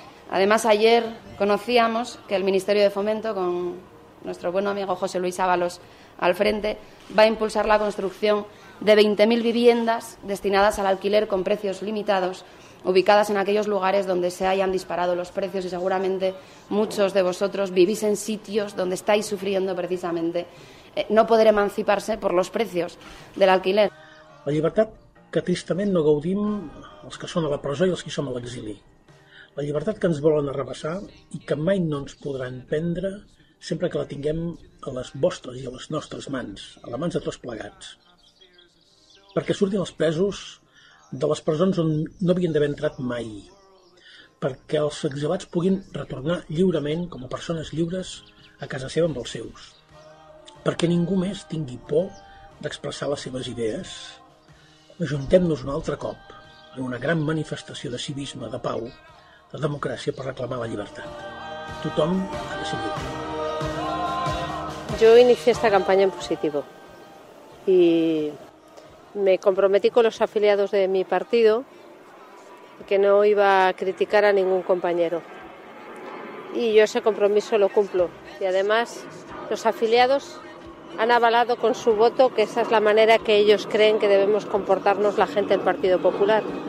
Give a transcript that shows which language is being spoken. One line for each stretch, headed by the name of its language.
Spanish: Además, ayer conocíamos que el Ministerio de Fomento, con nuestro buen amigo José Luis Ábalos al frente, va a impulsar la construcción de 20.000 viviendas destinadas al alquiler con precios limitados, ubicadas en aquellos lugares donde se hayan disparado los precios, y seguramente muchos de vosotros vivís en sitios donde estáis sufriendo precisamente no poder emanciparse por los precios del alquiler.
Catalan: La llibertat que tristament no gaudim els que són a la presó i els que som a l'exili. La llibertat que ens volen arrabassar i que mai no ens podran prendre sempre que la tinguem a les vostres i a les nostres mans, a les mans de tots plegats. Perquè surtin els presos de les presons on no havien d'haver entrat mai, perquè els exilats puguin retornar lliurement, com a persones lliures, a casa seva amb els seus, perquè ningú més tingui por d'expressar les seves idees, ajuntem-nos un altre cop en una gran manifestació de civisme, de pau, de democràcia per reclamar la llibertat. Tothom ha de ser lliure.
Spanish: Yo inicié esta campaña en positivo y me comprometí con los afiliados de mi partido que no iba a criticar a ningún compañero. Y yo ese compromiso lo cumplo. Y además los afiliados han avalado con su voto que esa es la manera que ellos creen que debemos comportarnos la gente del Partido Popular.